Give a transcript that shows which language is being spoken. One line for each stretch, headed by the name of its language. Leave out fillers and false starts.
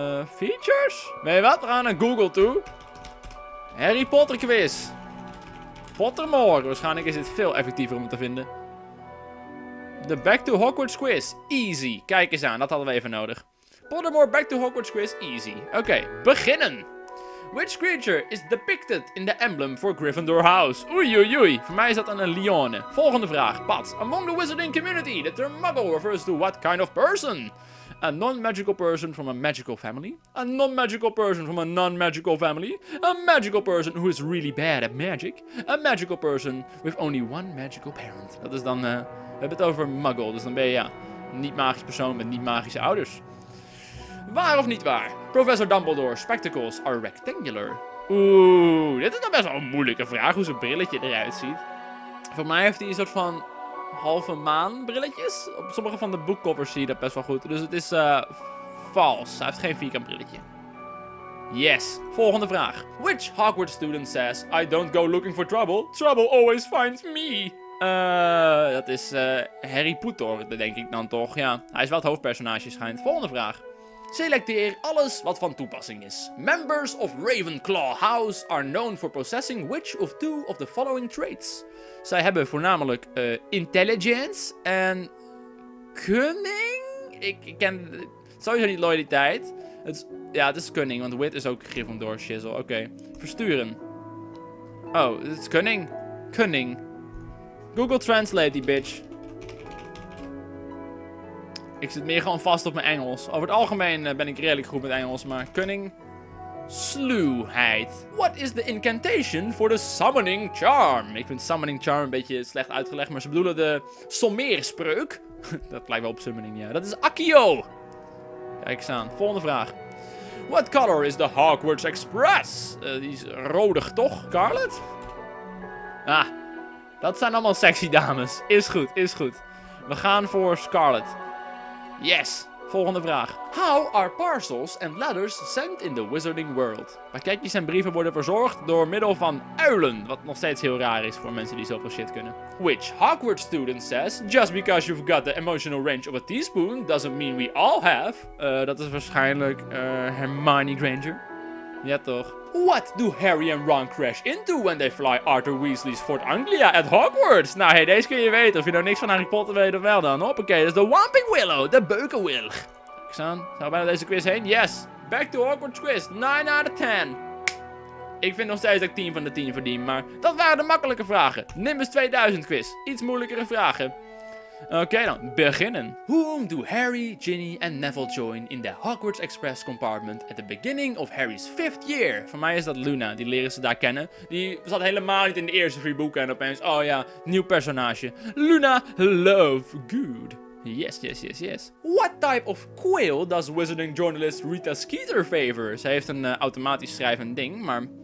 Dutch: Features? Weet je wat? We gaan naar Google toe. Harry Potter quiz. Pottermore. Waarschijnlijk is dit veel effectiever om het te vinden. De Back to Hogwarts quiz. Easy. Kijk eens aan, dat hadden we even nodig. Pottermore Back to Hogwarts quiz. Easy. Oké, beginnen.
English: Which creature is depicted in the emblem for Gryffindor House?
Dutch: Oei, oei, oei. Voor mij is dat een lione. Volgende vraag, Pat.
English: Among the wizarding community, the term muggle refers to what kind of person? A non-magical person from a magical family? A non-magical person from a non-magical family? A magical person who is really bad at magic? A magical person with only one magical parent?
Dutch: Dat is dan, we hebben het over muggle. Dus dan ben je, ja, een niet-magisch persoon met niet-magische ouders. Waar of niet waar? Professor Dumbledore,
English: spectacles are rectangular.
Dutch: Oeh, dit is dan best wel een moeilijke vraag hoe zijn brilletje eruit ziet. Voor mij heeft hij een soort van halve maan brilletjes. Op sommige van de boekcovers zie je dat best wel goed. Dus het is vals. Hij heeft geen vierkant brilletje. Yes, volgende vraag.
English: Which Hogwarts student says, I don't go looking for trouble. Trouble always finds me.
Dutch: Dat is Harry Potter, denk ik dan toch. Ja, hij is wel het hoofdpersonage schijnt. Volgende vraag. Selecteer alles wat van toepassing is.
English: Members of Ravenclaw House are known for possessing which of two of the following traits?
Dutch: Zij hebben voornamelijk intelligence en cunning? Ik ken sowieso niet loyaliteit. Het is cunning, want wit is ook Gryffindor shizzle. Oké, versturen. Oh, het is cunning. Cunning. Google Translate die bitch. Ik zit meer gewoon vast op mijn Engels. Over het algemeen ben ik redelijk goed met Engels, maar cunning. Sluwheid.
English: What is the incantation for the summoning charm?
Dutch: Ik vind summoning charm een beetje slecht uitgelegd, maar ze bedoelen de sommeerspreuk. Dat lijkt wel op summoning, ja. Dat is Accio. Kijk eens aan. Volgende vraag.
English: What color is the Hogwarts Express?
Dutch: Die is rodig, toch?
English: Scarlet?
Dutch: Ah, dat zijn allemaal sexy dames. Is goed, is goed. We gaan voor Scarlet. Yes. Volgende vraag.
English: How are parcels and letters sent in the wizarding world?
Dutch: Pakketjes en brieven worden verzorgd door middel van uilen. Wat nog steeds heel raar is voor mensen die zoveel shit kunnen.
English: Which Hogwarts student says, just because you've got the emotional range of a teaspoon doesn't mean we all have.
Dutch: Dat is waarschijnlijk Hermione Granger. Ja toch.
English: What do Harry and Ron crash into when they fly Arthur Weasley's Fort Anglia at Hogwarts?
Dutch: Nou hey, deze kun je weten. Of je nou niks van Harry Potter weet of wel dan. Hoppakee, dat is de Whomping Willow, de Beukenwilg. Kijk eens aan, zijn we bijna deze quiz heen? Yes, back to Hogwarts quiz,
English: 9 out of 10.
Dutch: Ik vind nog steeds dat ik 10 van de 10 verdien, maar dat waren de makkelijke vragen. Nimbus 2000 quiz, iets moeilijkere vragen. Oké, dan beginnen.
English: Whom do Harry, Ginny en Neville join in the Hogwarts Express compartment at the beginning of Harry's fifth year?
Dutch: Voor mij is dat Luna, die leren ze daar kennen. Die zat helemaal niet in de eerste drie boeken en opeens, oh ja, nieuw personage. Luna Lovegood. Yes, yes, yes, yes.
English: What type of quill does wizarding journalist Rita Skeeter favor?
Dutch: Ze heeft een automatisch schrijvend ding, maar...